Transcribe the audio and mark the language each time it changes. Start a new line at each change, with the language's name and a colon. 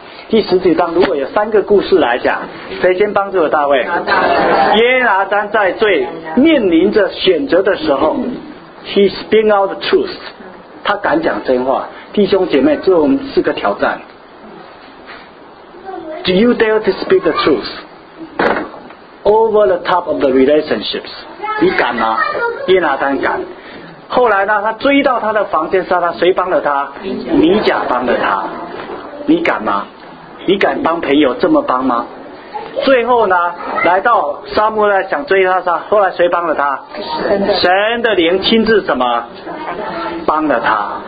Chinese: 第十九章如果有三个故事来讲，谁先帮助了大卫？耶拿丹在最面临着选择的时候
English: He spin out the truth，
Chinese: 他敢讲真话。弟兄姐妹，这我们是个挑战。
English: Do you dare to speak the truth over the top of the relationships？
Chinese: 你敢吗？耶拿丹敢。后来呢，他追到他的房间杀他，谁帮了他？米甲帮了他。你敢吗？你敢帮朋友这么帮吗？最后呢，来到沙漠来想追他杀，后来谁帮了他？神的灵亲自什么帮了他。